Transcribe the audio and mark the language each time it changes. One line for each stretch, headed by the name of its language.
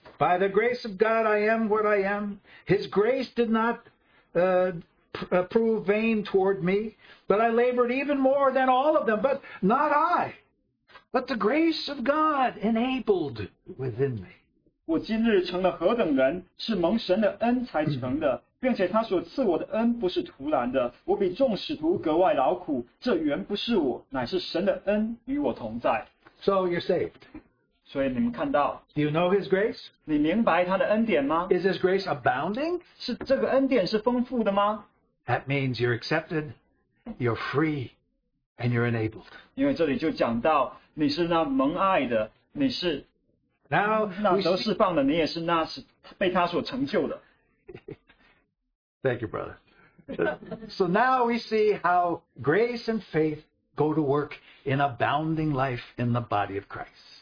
English: By the grace of God, I am what I am. His grace did not prove vain toward me, but I labored even more than all of them, but not I, but the grace of God enabled within me.
Chinese: 我今日成了何等人，是蒙神的恩才成的。并且他所赐我的恩不是徒然的，我比众使徒格外劳苦，这原不是我，乃是神的恩与我同在。
English: So you're saved.
Chinese: 所以你们看到。
English: Do you know his grace?
Chinese: 你明白他的恩典吗？
English: Is his grace abounding?
Chinese: 是这个恩典是丰富的吗？
English: That means you're accepted, you're free, and you're enabled.
Chinese: 因为这里就讲到你是那蒙爱的，你是那得释放的，你也是那是被他所成就的。
English: Thank you, brother. So now we see how grace and faith go to work in abounding life in the body of Christ.